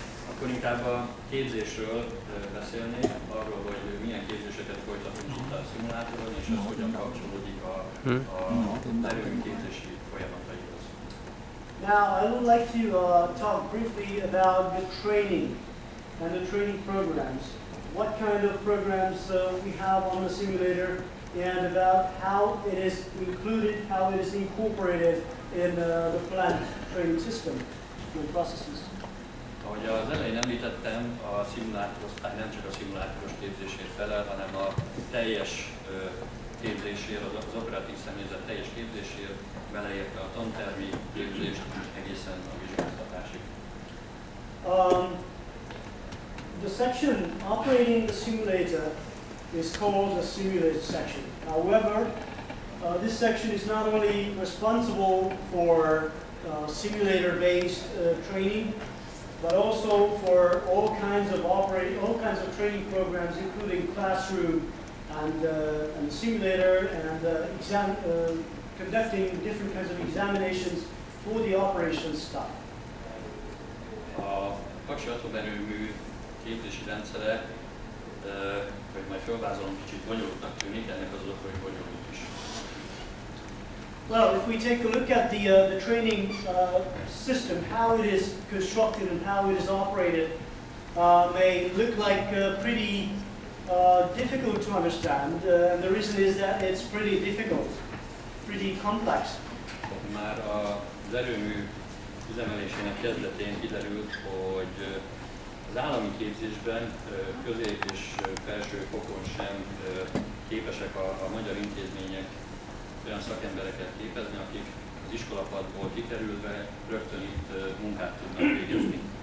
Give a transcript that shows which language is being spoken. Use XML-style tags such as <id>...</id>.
<hu>Akkor inkább a képzésről beszélnék, arról, hogy milyen képzéseket folytatunk itt a szimulátoron, és az hogyan kapcsolódik a terüli képzési folyamataihoz.</hu> <en>Now, I would like to talk briefly about the training and the training programs. What kind of programs we have on the simulator, and about how it is included, how it is incorporated in the plant training system and processes.</en> <hu>Ahogy az elején említettem, a szimulátorosztály nem csak a szimulátoros képzésért felel, hanem a teljes képzésért, az operatív személyzet teljes képzésért, beleértve a tantermi képzést egészen a vizsgáztatásig.</hu> <en>The section operating the simulator is called the simulator section. However, this section is not only responsible for simulator-based training, but also for all kinds of training programs, including classroom and simulator and conducting different kinds of examinations for the operations staff.</en> <hu>A Paksi atomerőmű képzési rendszere, hogy majd felvázolom, kicsit bonyolultnak tűnik, ennek az oka, hogy bonyolult is.</hu> <en>Well, if we take a look at the training system, how it is constructed and how it is operated, may look like pretty difficult to understand. And the reason is that it's pretty difficult. pretty complex.</en> <hu>Már a erőmű üzemelésének kezdetén kiderült, hogy az állami képzésben közép és felső fokon sem képesek a magyar intézmények olyan szakembereket képezni, akik az iskolapadból kikerülve rögtön itt munkát tudnak végezni.</hu>